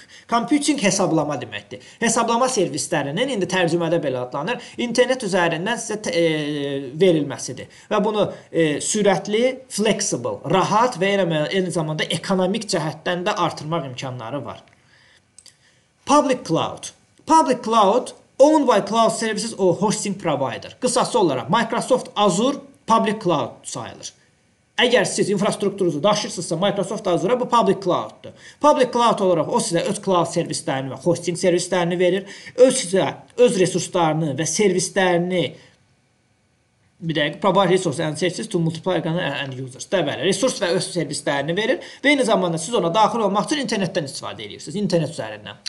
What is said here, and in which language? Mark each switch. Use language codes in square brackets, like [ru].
[az] Computing hesablama deməkdir. Hesablama servislərinin, indi tərcümədə belə adlanır, internet üzərindən sizə verilməsidir. Və bunu sürətli, flexible, rahat və eyni zamanda ekonomik cəhətdən də artırmaq imkanları var. [en] Public cloud. Public cloud, owned by cloud services or hosting provider. [az] Qısası olaraq, Microsoft Azure public cloud sayılır. Əgər siz infrastrukturunuzu daşırsınızsa Microsoft Azure-a, bu public cloud-dur. Public cloud olaraq o sizə öz cloud servislərini və hosting servislərini verir. Öz sizə öz resurslarını və servislərini bir dəqiqə provide resources and services to multiple end users. Dəbəli, resurs və öz servislərini verir və eyni zamanda siz ona daxil olmaq üçün internetdən istifadə edirsiniz, internet üzərindən.